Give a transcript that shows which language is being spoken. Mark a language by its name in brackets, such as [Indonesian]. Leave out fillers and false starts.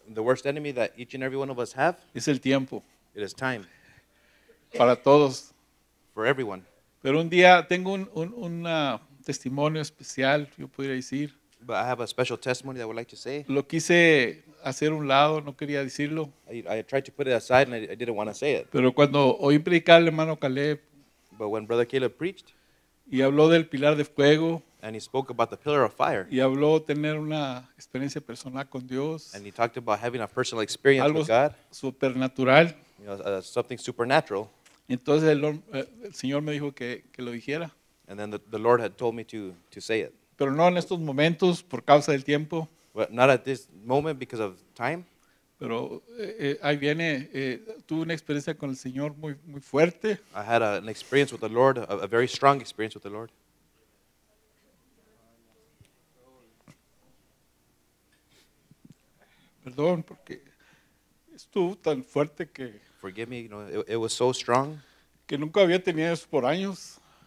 [English] The worst enemy that each and every one of us have. [Spanish] Es el tiempo. [English] It is time. [Spanish] Para todos. [English] For everyone. [Spanish] Pero un día tengo un testimonio especial, yo podría decir. [English] But I have a special testimony that I would like to say. [Spanish] Lo quise hacer un lado, no quería decirlo. [English] I tried to put it aside and I didn't want to say it. [Spanish] Pero cuando oí predicar al hermano Caleb. [English] But when brother Caleb preached. [Spanish] Y habló del pilar de fuego. [English] And he spoke about the pillar of fire. [Spanish] Y habló tener una experiencia personal con Dios. [English] And he talked about having a personal experience [Spanish] algo [English] with God. Supernatural. You know, something supernatural. [Spanish] Entonces el Señor me dijo que lo dijera. [English] And then the Lord had told me to say it. [Spanish] Pero no en estos momentos, por causa del tiempo. [English] But not at this moment because of time. [Spanish] Pero ahí viene, tuve una experiencia con el Señor muy, muy fuerte. [English] I had an experience with the Lord, a very strong experience with the Lord. [Spanish] Perdón, porque estuvo tan fuerte que... [English] Forgive me, you know, it was so strong. [Spanish] Que nunca había tenido eso por años.